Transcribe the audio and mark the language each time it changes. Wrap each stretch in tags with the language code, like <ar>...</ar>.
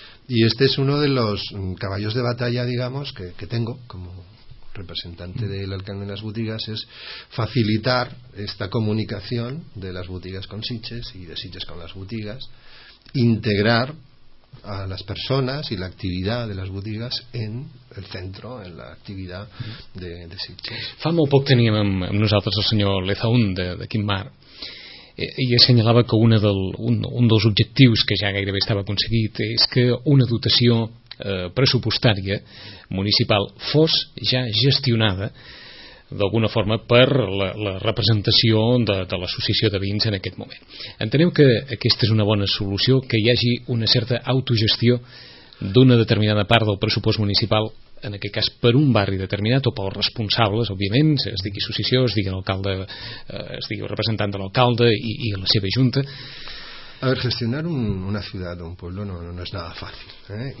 <es>Y este es uno de los caballos de batalla, digamos, que tengo como representante del alcalde de las botigas, es facilitar esta comunicación de las botigas con Sitges y de Sitges con las botigas, integrar a las personas y la actividad de las botigas en el centro, en la actividad de Sitges.</es> <ca>Fa molt poc teníem amb nosaltres el senyor Lezaún de Quimmar, i assenyalava que un dels objectius que ja gairebé estava aconseguit és que una dotació pressupostària municipal fos ja gestionada d'alguna forma per la representació de l'associació de veïns en aquest moment. Entenem que aquesta és una bona solució, que hi hagi una certa autogestió d'una determinada part del pressupost municipal, en aquest cas per un barri determinat o pels responsables, òbviament, es digui associació, es digui alcalde, es digui representant de l'alcalde i la seva junta.</ca> <es>A ver, gestionar una ciudad o un pueblo no es nada fácil, ¿eh?</es>